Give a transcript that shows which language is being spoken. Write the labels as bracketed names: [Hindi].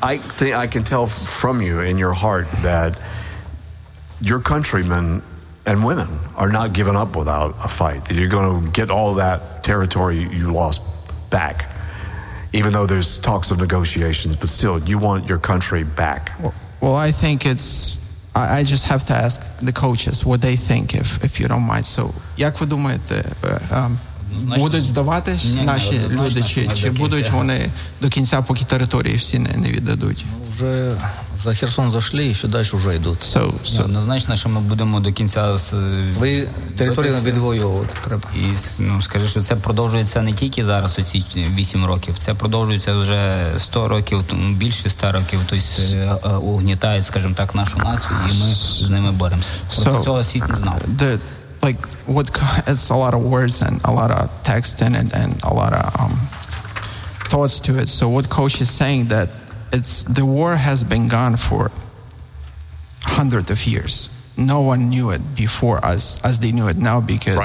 [English] I can tell from you in your heart that your countrymen and women are not giving up without a fight. You're going to get all that territory you lost back, even though there's talks of negotiations, but still, you want your country back. Well, I think it's... I just have to ask the coaches what they think, if you don't mind. [Ukrainian] So, як ви думаєте, будуть здаватись наші люди, чи будуть вони до кінця, поки території всі не віддадуть? Вже за Херсон зайшли, і ще далі вже йдуть. So. Незначно, що ми будемо до кінця... Свої території на відвоювати треба. І, ну, скажи, що це продовжується не тільки зараз, оці 8 років, це продовжується вже 100 років, більше 100 років, тобто угнітає, скажімо так, нашу націю, і ми з ними боремося. Проти цього світ не знав. [English] It's a lot of words and a lot of text in it and a lot of thoughts to it. So what coach is saying that the war has been gone for hundreds of years. No one knew it before us as they knew it now, because